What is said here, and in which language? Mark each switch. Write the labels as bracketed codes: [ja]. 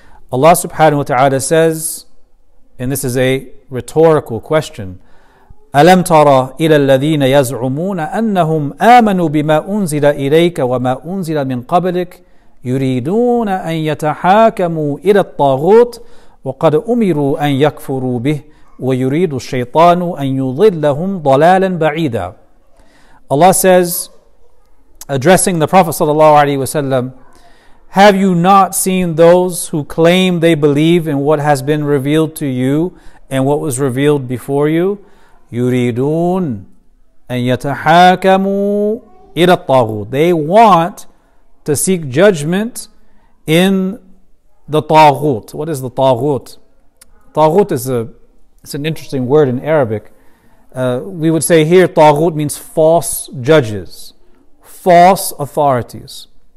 [en] Allah subhanahu wa ta'ala says, and this is a rhetorical question, [ar] أَلَمْ تَرَ إِلَى الَّذِينَ يَزْعُمُونَ أَنَّهُمْ آمَنُوا بِمَا أُنزِلَ إِلَيْكَ وَمَا أُنزِلَ مِنْ قَبْلِكَ يريدون أن يتحاكموا إلى الطاغوت وقد أمروا أن يكفروا به ويريد الشيطان أن يضلهم ضلالا بعيدا. [en] Allah says, addressing the Prophet sallallahu alaihi wasallam, have you not seen those who claim they believe in what has been revealed to you and what was revealed before you? [ar] يريدون أن يتحاكموا إلى الطاغوت. [en] They want to seek judgment in the taghut. What is the taghut? Taghut is an interesting word in Arabic. We would say here taghut means false judges, false authorities.